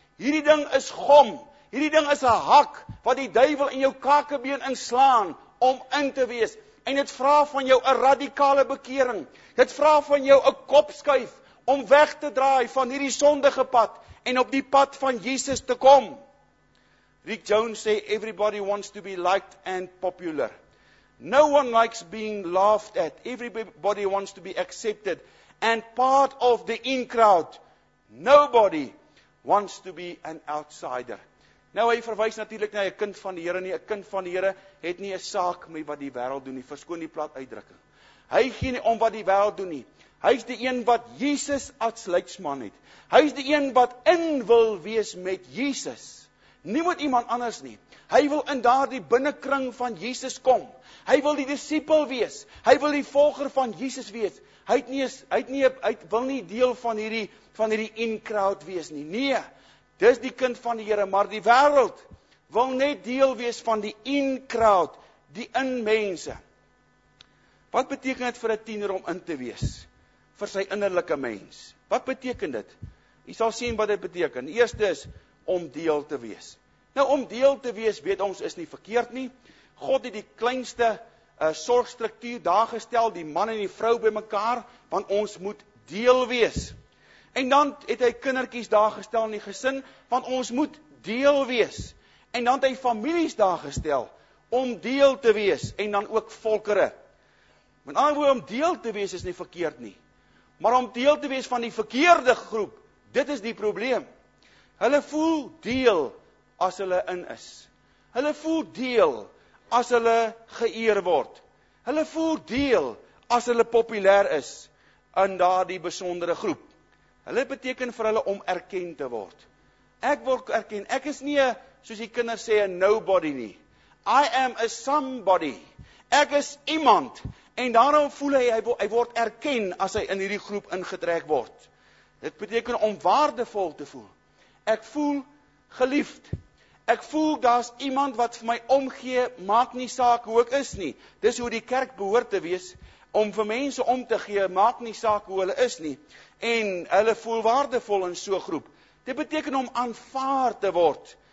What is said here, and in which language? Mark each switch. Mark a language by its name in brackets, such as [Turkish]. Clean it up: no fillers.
[Afrikaans] Hierdie ding is gom. Hierdie ding is 'n hak wat die duivel in jou kakebeen inslaan om in te wees. En dit vra van jou 'n radikale bekering. Dit vra van jou 'n kopskuif om weg te draai van hierdie sondige pad en op die pad van Jesus te kom. [English] Rick Jones [Afrikaans] sê, [English] everybody wants to be liked and popular. No one likes being laughed at. Everybody wants to be accepted and part of the in crowd. Nobody wants to be an outsider. [Afrikaans] Nou, hy verwys natuurlik na 'n kind van die Here nie. 'n kind van die Here het nie 'n saak met wat die wêreld doen nie. Verskoon die plat uitdrukking. Hy gee nie om wat die wêreld doen nie. Hy is die een wat Jesus as leidsman het. Hy is die een wat in wil wees met Jesus. Nie met iemand anders nie. Hy wil in daardie binnekring van Jesus kom. Hy wil die disipel wees. Hy wil die volger van Jesus wees. Hy wil nie deel van hierdie in-crowd wees nie. Nee. Dis die kind van die Here, maar die wêreld wil net deel wees van die in-crowd, die in-mense. Wat beteken dit vir 'n tiener om in te wees? Vir sy innerlike mens. Wat beteken dit? Jy sal sien wat dit beteken. Eerste is om deel te wees. Nou, om deel te wees, weet ons, is nie verkeerd nie. God het die kleinste sorgstruktuur daar gestel, die man en die vrou bymekaar, want ons moet deel wees. En dan het hy kindertjies daar gestel in die gesin, want ons moet deel wees. En dan het hy families daar gestel, om deel te wees, en dan ook volkere. Met ander woord, om deel te wees is nie verkeerd nie. Maar om deel te wees van die verkeerde groep, dit is die probleem. Hulle voel deel as hulle in is. Hulle voel deel as hulle geëer word. Hulle voel deel as hulle populair is in daardie besondere groep. Hulle beteken vir hulle om erken te word. Ek word erken. Ek is nie, soos die kinders sê, [English] a nobody [Afrikaans] nie. [English] I am a somebody. [Afrikaans] Ek is iemand. En daarom voel hy word erken as hy in hierdie groep ingetrek word. Dit beteken om waardevol te voel. Ek voel geliefd. Ek voel daar is iemand wat vir my omgee, maak nie saak hoe ek is nie. Dis hoe die kerk behoort te wees, om vir mense om te gee, maak nie saak hoe hulle is nie. En hulle voel waardevol in so'n groep. Dit beteken om aanvaard te word.